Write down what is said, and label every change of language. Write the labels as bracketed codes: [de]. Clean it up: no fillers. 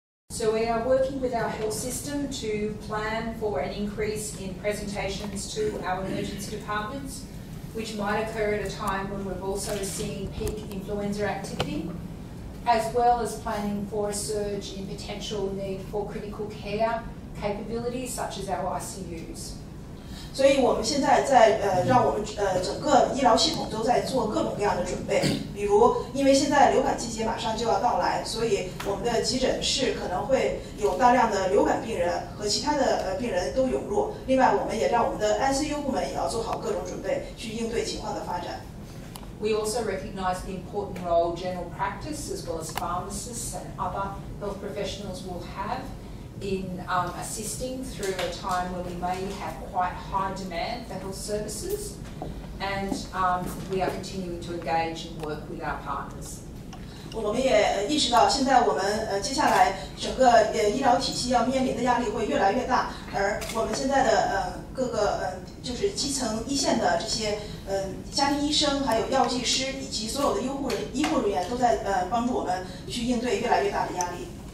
[en] So we are working with our health system to plan for an increase in presentations to our emergency departments, which might occur at a time when we've also seen peak influenza activity, as well as planning for a surge in potential need for critical care capabilities such as our ICUs. [zh] 所以我们现在在让我们整个医疗系统都在做各种各样的准备，比如因为现在流感季节马上就要到来，所以我们的急诊室可能会有大量的流感病人和其他的病人都涌入。另外，我们也让我们的 ICU 部门也要做好各种准备，去应对情况的发展。 [en] We also recognize the important role general practice as well as pharmacists and other health professionals will have. In assisting through a time when we may have quite high demand for health services, and we are continuing to engage and work with our partners. [zh] 我们也意识到，现在我们接下来整个医疗体系要面临的压力会越来越大，而我们现在的各个就是基层一线的这些家庭医生，还有药剂师以及所有的医护人员都在帮助我们去应对越来越大的压力。